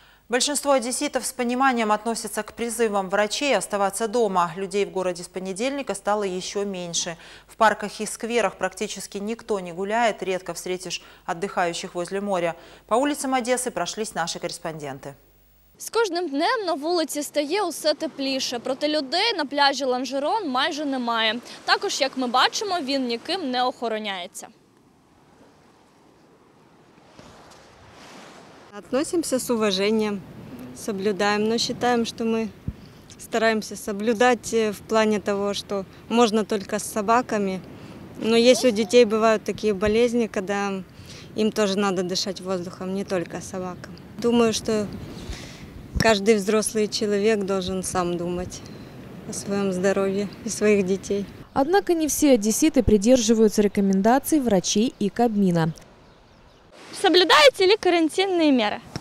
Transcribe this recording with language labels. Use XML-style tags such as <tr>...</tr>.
<ru>Большинство одесситов с пониманием относятся к призывам врачей оставаться дома. Людей в городе с понедельника стало еще меньше. В парках и скверах практически никто не гуляет, редко встретишь отдыхающих возле моря. По улицам Одессы прошлись наши корреспонденты.</ru> <uk>З кожним днем на вулиці стає усе тепліше, проте людей на пляжі Ланжерон майже немає. Також, як ми бачимо, він ніким не охороняється. Відносимося з уваженням, соблюдаємо, але вважаємо, що ми стараємося соблюдати в плані того, що можна тільки з собаками. Але є у дітей бувають такі болезні, коли їм теж треба дихати воздухом, не тільки собакам.</uk> <ru>Думаю, що каждый взрослый человек должен сам думать о своем здоровье и своих детей. Однако не все одесситы придерживаются рекомендаций врачей и Кабмина. Соблюдаете ли карантинные меры?</ru>